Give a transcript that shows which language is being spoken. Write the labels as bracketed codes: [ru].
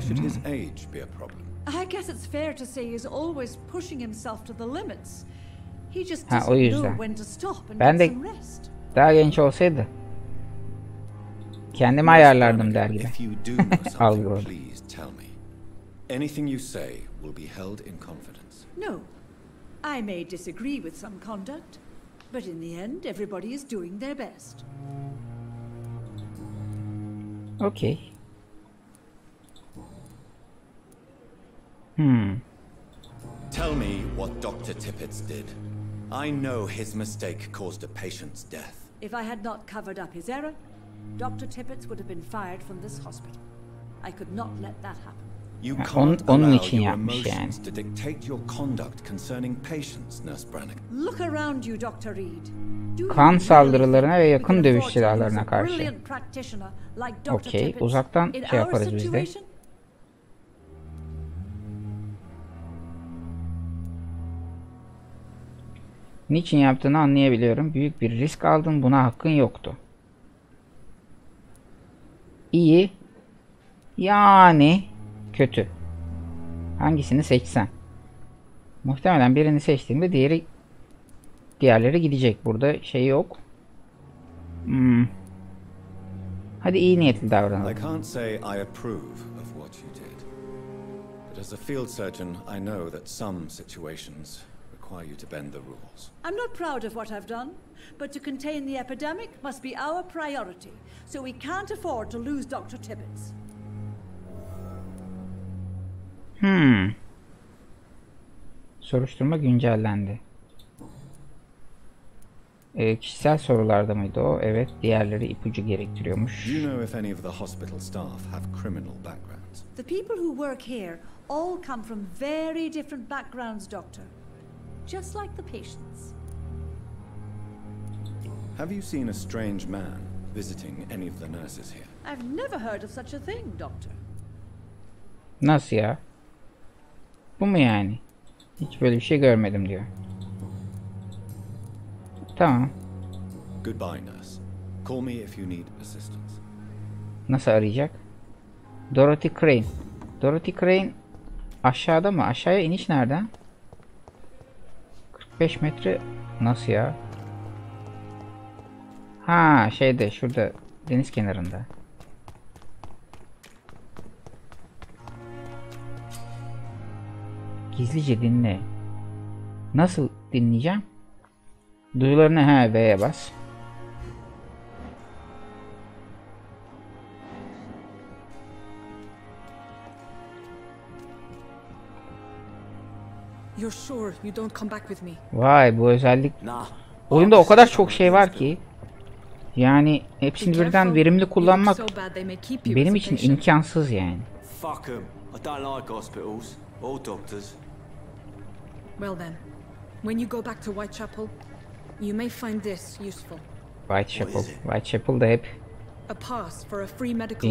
[en] Why should his age be a problem? I guess it's fair to say he's always pushing himself to the limits. He just ha, doesn't know when to stop and get some rest. [tr] Daha genç olsaydı kendimi ayarlardım der gibi. [en] If you do know something, please tell me. Anything you say will be held in confidence. No. I may disagree with some conduct, but in the end everybody is doing their best. Okay. Tell me what Dr. Tippett's did. I know his mistake caused a patient's death. If I had not covered up his error, Dr. Tippett's would have been fired from this hospital. I could not let that happen. You can't allow your emotions to dictate your conduct concerning patients, Nurse Branigan. Look around you, Dr. Reed. [tr] Kan saldırılarına ve yakın dövüş silahlarına karşı. Okey, uzaktan şey yaparız biz de. Niçin yaptığını anlayabiliyorum. Büyük bir risk aldın, buna hakkın yoktu. İyi. Yani kötü. Hangisini seçsen? Muhtemelen birini seçtiğimde diğerleri gidecek. Burada şey yok. Hadi iyi niyetli davranalım. [en] I can't say I approve of what you did. But as a field surgeon, I know that some situations require you to bend the rules. I'm not proud of what I've done, but to contain the epidemic must be our priority, so we can't afford to lose Dr. Tibbetts. [tr] Soruşturma güncellendi. Kişisel sorularda mıydı o? Evet, diğerleri ipucu gerektiriyormuş. [en] You know if any of the hospital staff have criminal backgrounds? The people who work here all come from very different backgrounds, Doctor. Just like the patients. Have you seen a strange man visiting any of the nurses here? I've never heard of such a thing, Doctor. [tr] Nasıl ya? Bu mu yani? Hiç böyle bir şey görmedim diyor. Tamam. [en] Goodbye, nurse. Call me if you need assistance. [tr] Nasıl arayacak? Dorothy Crane. Dorothy Crane aşağıda mı? Aşağıya iniş nereden? 45 metre nasıl ya? Ha, şeyde, şurada deniz kenarında. Gizlice dinle. Nasıl dinleyeceğim? Duyularını ha, V'ye bas. [en] You're sure you don't come back with me? [tr] Vay, bu özellik. Oyunda o kadar çok şey var ki. Yani hepsini birden verimli kullanmak benim için imkansız yani. [en] Fuck 'em. I don't like hospitals or doctors. Well then, when you go back to Whitechapel, you may find this useful. [tr] Whitechapel. Whitechapel de hep. [en] A pass for a free medical